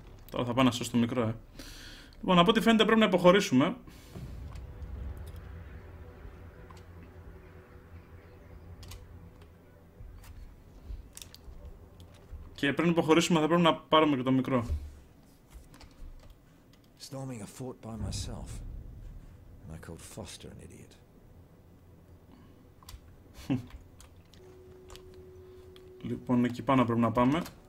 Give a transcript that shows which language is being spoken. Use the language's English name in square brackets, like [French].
[Greek] Τώρα θα πάω να σώσω το μικρό, ε. Λοιπόν, από ό,τι φαίνεται πρέπει να υποχωρήσουμε. Και πριν υποχωρήσουμε θα πρέπει να πάρουμε και το μικρό. [English] Storming a fort by myself. And I called Foster an idiot. [Greek] Λοιπόν, εκεί πάνω πρέπει να πάμε.